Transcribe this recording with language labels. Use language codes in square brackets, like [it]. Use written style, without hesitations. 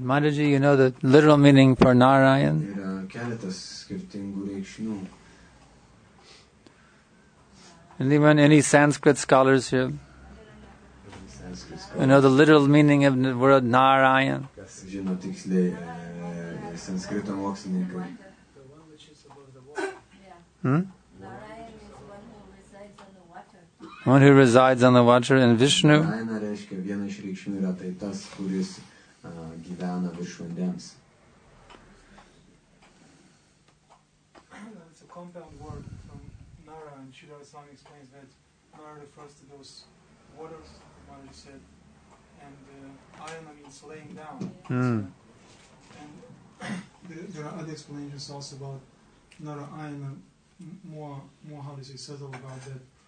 [en] Mataji, you know the literal meaning for Narayan? [lt] Yra keletas skirtingų reikšmių. [en] Anyone, any Sanskrit scholars here? You know the literal meaning of the word Narayan? [lt] Kas žino tiksliai sanskrito mokslininkai? [en] The one which is above the water. One who resides on the water in Vishnu. [lt] Narayana reiškia viena iš reikšmių yra tai tas, kuris gyvena virš vandens. [en] It's a compound word from Nara, and Shiva Swami explains that Nara refers to those waters, what you said, and ayana means laying down. And there are other explanations also about Nara ayana, more how does he settle about that.